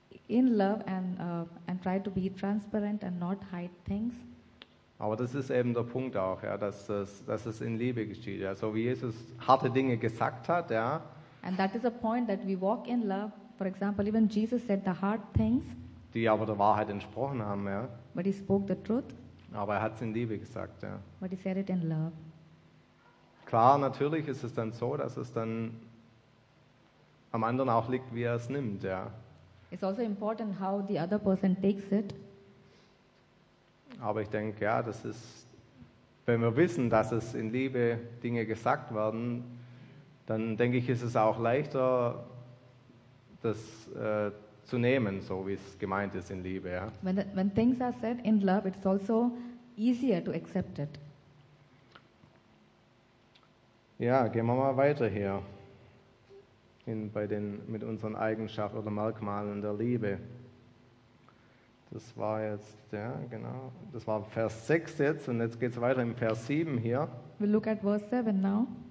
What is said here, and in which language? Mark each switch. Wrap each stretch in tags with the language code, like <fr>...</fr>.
<en>In love and try to be transparent and not hide things.</en> <de>Aber das ist eben der Punkt auch, ja, dass es in Liebe geschieht, ja, so wie Jesus harte Dinge gesagt hat, ja.</de> <en>And that is a point that we walk in love. For example, even Jesus said the hard things.</en> <de>Die aber der Wahrheit entsprochen haben, ja.</de> <en>But he spoke the truth.</en> <de>Aber er hat es in Liebe gesagt, ja.</de> <en>But he said it in love.</en> <de>Klar, natürlich ist es dann so, dass es dann am anderen auch liegt, wie er es nimmt, ja.</de> <en>It's also important how the other person takes it.</en> <de>Aber ich denke, ja, das ist, wenn wir wissen, dass es in Liebe Dinge gesagt werden, dann denke ich, ist es auch leichter, das zu nehmen, so wie es gemeint ist in Liebe, ja.</de> <en>When things are said in love, it's also easier to accept it.</en> <de>Ja, gehen wir mal weiter hier mit unseren Eigenschaften oder Merkmalen der Liebe. Das war Vers 6 jetzt und jetzt geht es weiter im Vers 7 hier.</de> <en>We'll look at verse 7 now.</en>